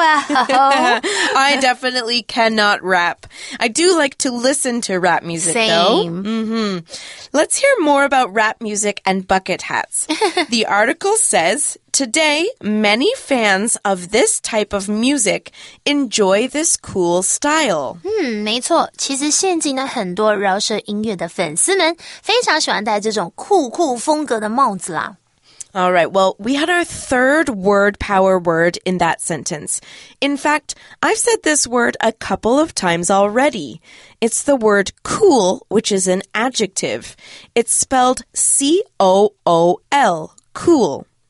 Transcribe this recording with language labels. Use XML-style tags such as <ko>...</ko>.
<en>I definitely cannot rap. I do like to listen to rap music, Same. though. Mm-hmm. Let's hear more about rap music and bucket hats. The article says... Today, many fans of this type of music enjoy this cool style.</en> <zh>没错，其实现今呢，很多饶舌音乐的粉丝们非常喜欢戴这种酷酷风格的帽子啦。</zh> <en>All right, well, we had our third word power word in that sentence. In fact, I've said this word a couple of times already. It's the word cool, which is an adjective. It's spelled C-O-O-L, cool.</en>